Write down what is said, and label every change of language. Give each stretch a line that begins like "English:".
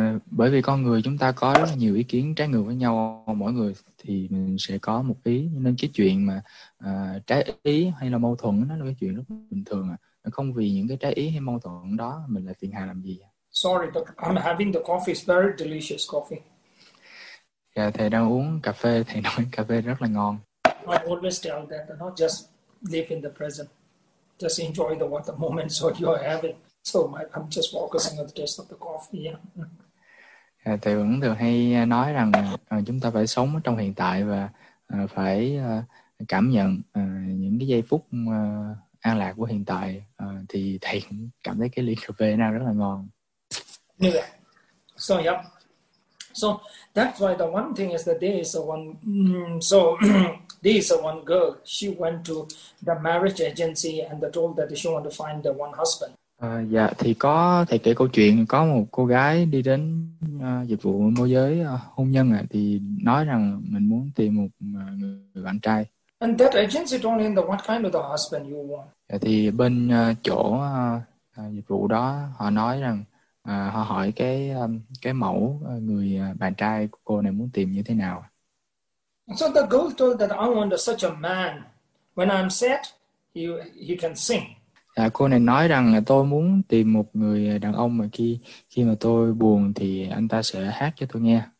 Vietnamese: bởi vì con người chúng ta có rất là nhiều ý kiến trái ngược với nhau. Mỗi người thì mình sẽ có một ý, nên cái chuyện mà trái ý hay là mâu thuẫn nó là cái chuyện rất bình thường. Không vì những cái trái ý hay mâu thuẫn đó mình lại phiền hà làm gì.
English: Sorry, but I'm having the coffee. It's very delicious coffee.
Vietnamese: Dạ, thầy đang uống cà phê, thầy nói cà phê rất là ngon.
English: I always tell that, not just live in the present. Just enjoy the what the moments what you are having. So I'm just focusing on the taste of the coffee. Yeah.
Vietnamese: Dạ, thầy vẫn thường hay nói rằng chúng ta phải sống trong hiện tại và phải cảm nhận những cái giây phút an lạc của hiện tại. Thì thầy cũng cảm thấy cái ly cà phê đang rất là ngon.
English: Yeah. So, yep. So that's why the one thing is that there is a one. So there is a one girl. She went to the marriage agency and they told that she want to find the one husband.
Vietnamese: Dạ, thì có thầy kể câu chuyện có một cô gái đi đến dịch vụ môi giới hôn nhân thì nói rằng mình muốn tìm một người bạn trai.
English: And that agency told him the what kind of the husband you want.
Vietnamese: Dạ, thì bên chỗ dịch vụ đó họ nói rằng. Họ hỏi cái mẫu người bạn trai của cô này muốn tìm như thế nào.
English: So the girl told that I want such a man. When I'm sad, he can sing.
Vietnamese: Cô này nói rằng tôi muốn tìm một người đàn ông mà khi mà tôi buồn thì anh ta sẽ hát cho tôi nghe.